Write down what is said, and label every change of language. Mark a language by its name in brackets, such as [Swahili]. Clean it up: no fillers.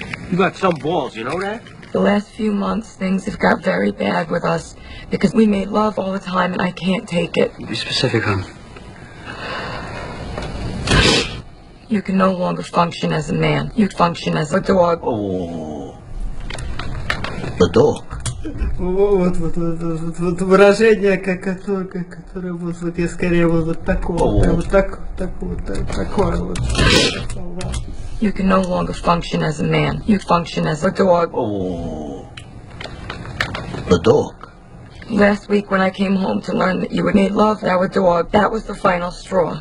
[English] You got some balls, you know that? The last few months, things have got very bad with us because we made love all the time and I can't take it. Be specific, hon. You can no longer function as a man. You function as a dog. Oh. A dog. [Russian] Вот выражение, которое вот я скорее вот такое. Вот такое вот. [English] You can no longer function as a man. You function as a dog. Oh. A dog. Last week when I came home to learn that you had made love to our dog, that was the final straw.